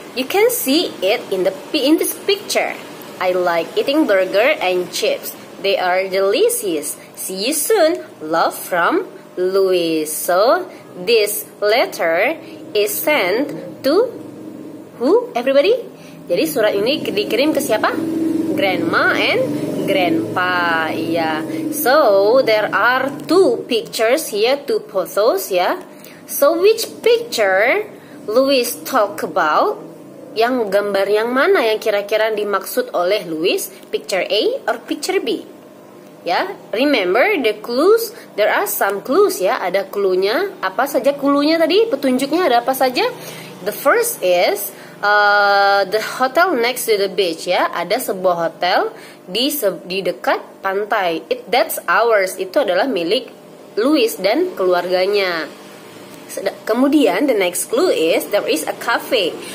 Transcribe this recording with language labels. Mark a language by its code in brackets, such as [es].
[en] You can see it in this picture. I like eating burger and chips. They are delicious. See you soon. Love from Louis. So, this letter is sent to who, everybody? [id] Jadi, surat ini dikirim ke siapa? [en] Grandma and Grandpa. Yeah. So, there are 2 pictures here, 2 photos, yeah. So, which picture Louis talk about? [id] Yang gambar yang mana yang kira-kira dimaksud oleh Louis? [en] Picture A or picture B? Yeah, remember the clues. [id] There are some clues ya. Yeah. Ada clue-nya. Apa saja clue-nya tadi? Petunjuknya ada apa saja? [en] The first is the hotel next to the beach ya. Yeah. [id] Ada sebuah hotel di dekat pantai. That's ours. Itu adalah milik Louis dan keluarganya. [en] Kemudian the next clue is there is a cafe.